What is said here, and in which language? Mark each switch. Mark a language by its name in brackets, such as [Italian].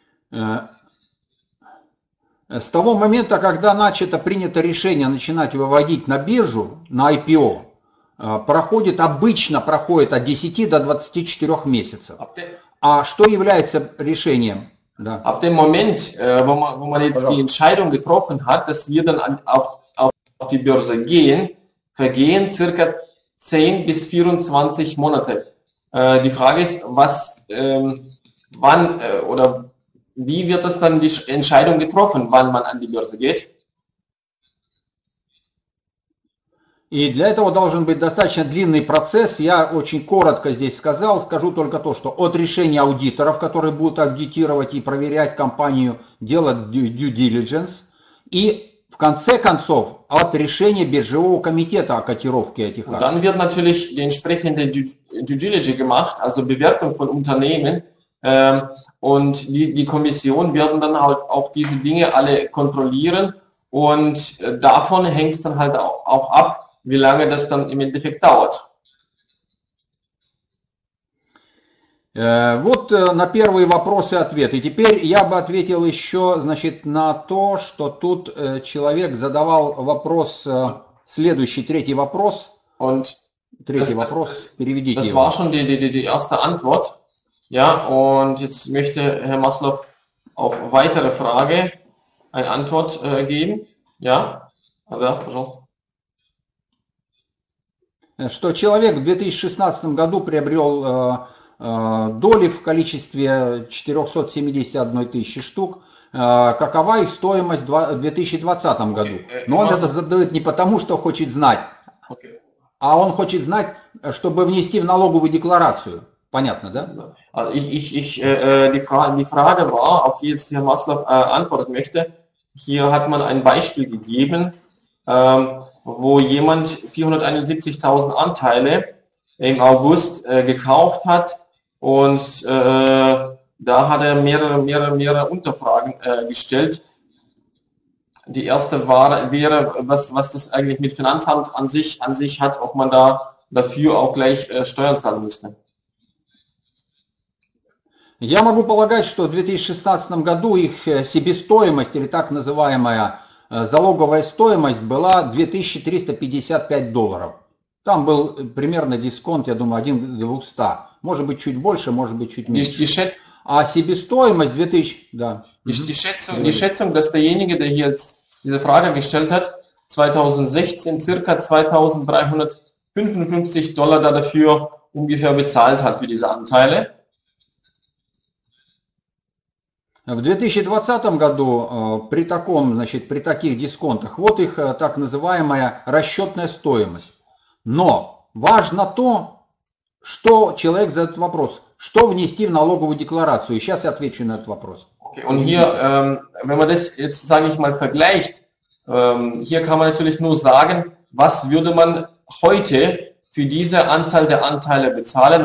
[Russian] С того момента, когда начато принято решение начинать выводить на биржу, на IPO, проходит обычно проходит от 10 до 24 месяцев. А что является решением? Да. [German] Ab dem Moment, wo man jetzt die Entscheidung getroffen hat, dass wir dann auf die Börse gehen, vergehen circa 10 bis 24 Monate. Die Frage ist, wann oder wie wird das dann die Entscheidung getroffen, wann man an die Börse geht? [Russian] И для этого должен быть достаточно длинный процесс. Я очень коротко здесь сказал, скажу только то, что от решения аудиторов, которые будут аудитировать и проверять компанию, делать due diligence, и в конце концов от решения биржевого комитета о котировке этих акций. [German] Dann wird natürlich die entsprechende due diligence gemacht, also Bewertung von Unternehmen, und die Kommission werden dann auch diese Dinge alle kontrollieren, und davon hängt es dann halt auch ab, wie lange das dann im Endeffekt dauert. [Russian] Вот на первые вопросы ответ. И теперь я бы ответил еще, значит, на то, что тут человек задавал вопрос, следующий, третий вопрос. [German] Und [Russian] третий вопрос, переведите его. [German] Das war schon die erste Antwort. Ja, und jetzt möchte Herr Maslow auf weitere Frage eine Antwort geben. Ja, aber, [Russian] пожалуйста. Что человек в 2016 году приобрел доли в количестве 471 тысячи штук. Какова их стоимость в 2020 году? Но он это задает не потому, что хочет знать, а он хочет знать, чтобы внести в налоговую декларацию. Понятно, да? [German] Die Frage war, auf die jetzt Herr Maslow antworten möchte. Hier hat man ein Beispiel gegeben, wo jemand 471.000 Anteile im August gekauft hat, und da hat er mehrere Unterfragen gestellt. Die erste wäre, was das eigentlich mit Finanzamt an sich hat, ob man da dafür auch gleich Steuern zahlen müsste. [Russian] Я могу полагать, что в 2016 году их себестоимость, или так называемая залоговая стоимость, была 2355 долларов. Там был примерно дисконт, я думаю, 1-200. Может быть, чуть больше, может быть, чуть меньше. А себестоимость 2000... Да. [German] Die Schätzung, dass derjenige, der hier jetzt diese Frage gestellt hat, 2016 circa 2355 Dollar dafür ungefähr bezahlt hat für diese Anteile. [Russian] В 2020 году при таких дисконтах, вот их так называемая расчетная стоимость. Но важно то, что человек задает вопрос, что внести в налоговую декларацию. Сейчас я отвечу на этот вопрос. [German] Okay, und hier, wenn man das jetzt, sage ich mal, vergleicht, hier kann man natürlich nur sagen, was würde man heute für diese Anzahl der Anteile bezahlen?